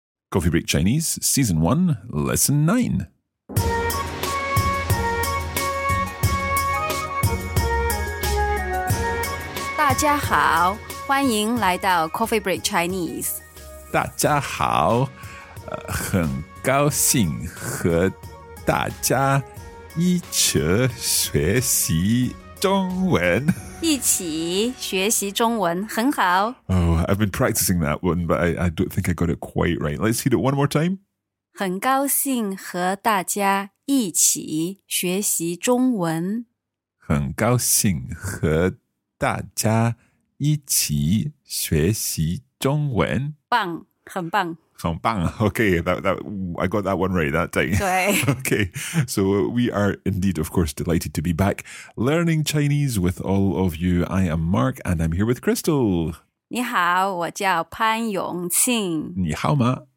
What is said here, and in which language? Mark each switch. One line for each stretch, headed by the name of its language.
English: Coffee Break Chinese, Season 1, Lesson 9. Hello everyone.
Chinese: 欢迎来到 Coffee Break Chinese。大家好，很高兴和大家一起学习中文。一起学习中文，很好。
English: Oh, I've been practicing that one, but I don't think I got it quite right. Let's hear it one more time.
Chinese: 很高兴和大家一起学习中文。很高兴和大家一起学习中文，棒，很棒，很棒。
English: Okay, that I got that one right that time.
Chinese: 对。
English: Okay, so we are indeed, of course, delighted to be back learning Chinese with all of you. I am Mark, and I'm here with Crystal.
Chinese: 你好，我叫潘永庆。你好吗？